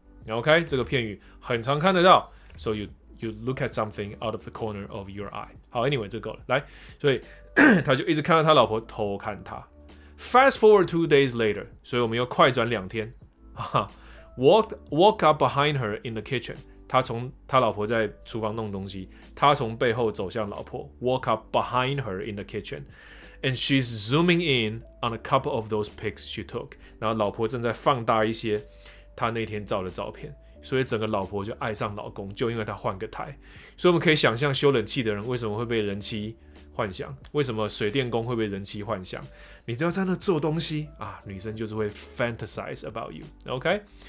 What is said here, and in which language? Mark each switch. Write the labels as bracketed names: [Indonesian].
[English] OK， [Chinese] 这个片语很常看得到 [English] ，so you look at something out of the corner of your eye。好 ，anyway， [Chinese] 这够了。来，所以他就一直看到他老婆偷看他。 [English] Fast forward 2 days later， [Chinese] 所以我们又快转两天，哈。 [English] Walk up behind her in the kitchen. [Chinese] 他从他老婆在厨房弄东西，他从背后走向老婆。 [English] Walk up behind her in the kitchen, and she's zooming in on a couple of those pics she took. [Chinese] 然后老婆正在放大一些他那天照的照片，所以整个老婆就爱上老公，就因为他换个胎。所以我们可以想象修冷气的人为什么会被人妻幻想，为什么水电工会被人妻幻想？你只要在那做东西啊，女生就是会 [English] fantasize about you. [Chinese] OK。